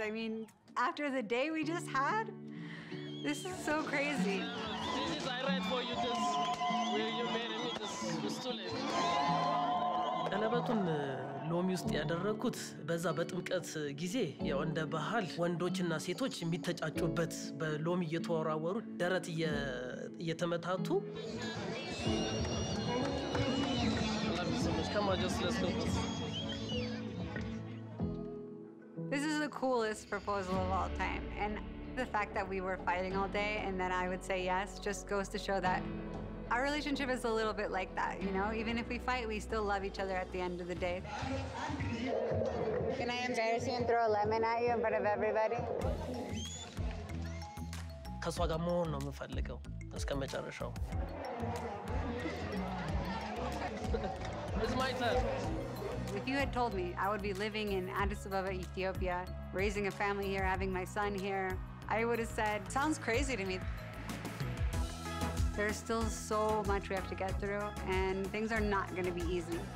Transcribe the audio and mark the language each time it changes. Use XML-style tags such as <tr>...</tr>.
<en>I mean, after the day we just had, this is so crazy. This is I write for you just where you made me just stolen.</en> <am>ቀለበቱን ሎሚ ውስጥ ያደረኩት በዛ በጥምቀት ጊዜ የወንደ ባህል ወንዶችና ሴቶች የሚተጫጩበት በሎሚ የተወራወሩ ደረት የተመታቱ</am> <en>Come on, just let's go. This is the coolest proposal of all time. And the fact that we were fighting all day and then I would say yes just goes to show that our relationship is a little bit like that, you know? Even if we fight, we still love each other at the end of the day. Can I embarrass you and throw a lemon at you in front of everybody?</en> <am>ከሷ ጋር መሆን ነው የምፈልገው እስከ መጨረሻው.</am> <en>It's my turn. If you had told me I would be living in Addis Ababa, Ethiopia, raising a family here, having my son here, I would have said, sounds crazy to me. There's still so much we have to get through, and things are not going to be easy.</en>